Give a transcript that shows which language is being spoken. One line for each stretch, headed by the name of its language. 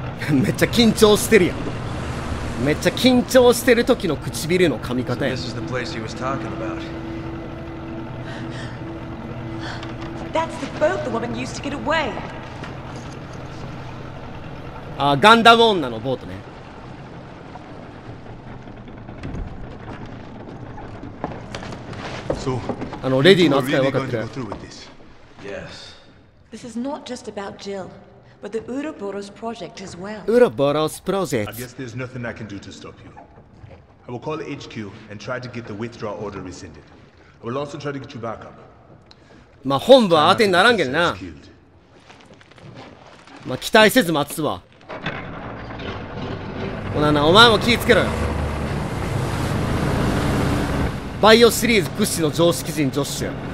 Japanese: めっちゃ緊張してるやん。めっちゃ緊張してる時の唇の噛み方や。
English: So this is the place he was talking about. That's the boat the woman used to get away.
Japanese: あ、ガンダム女のボートね。
English: So,
Japanese: あのレディの扱い分かってる。
English: Yes. This is not just about Jill. But the Ouroboros project as well. Ouroboros project. I guess there's nothing I can do to stop you. I will call HQ and try to get the withdrawal order rescinded. I will also try to get you back up.
Japanese: まあ本部は当てにならんけどな。まあ期待せず待つわ。ほなな、お前も気ぃつけろよ。バイオシリーズ屈指の常識人ジョッシュ。